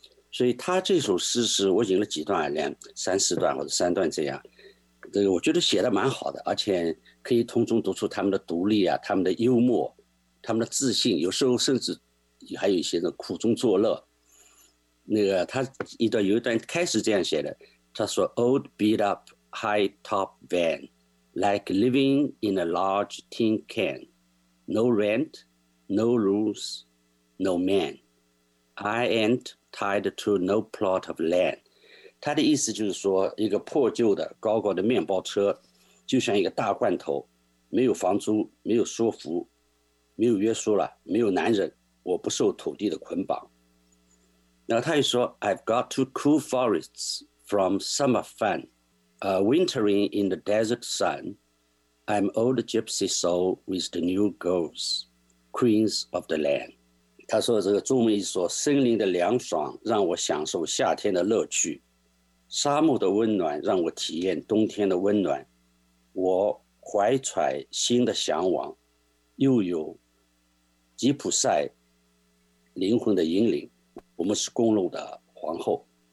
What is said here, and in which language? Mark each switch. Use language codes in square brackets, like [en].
[zh] 所以他这首诗是我引了几段，三段这样，这个我觉得写的蛮好的，而且可以从中读出他们的独立啊，他们的幽默，他们的自信，有时候甚至还有一些的苦中作乐。那个他一段有一段开始这样写的，他说 [en] old beat up high top van。 Like living in a large tin can, no rent, no rules, no man. I ain't tied to no plot of land. [zh] 他的意思就是说，一个破旧的高高的面包车，就像一个大罐头，没有房租，没有说服，没有约束了，没有男人，我不受土地的捆绑。然后他又说 [en] ，I've got two cool forests from summer fun. Wintering in the desert sun, I'm old gypsy soul with the new girls, queens of the land. [zh] 他说这个中文意思说，森林的凉爽让我享受夏天的乐趣，沙漠的温暖让我体验冬天的温暖，我怀揣新的向往，又有吉普赛灵魂的引领，我们是公路的皇后。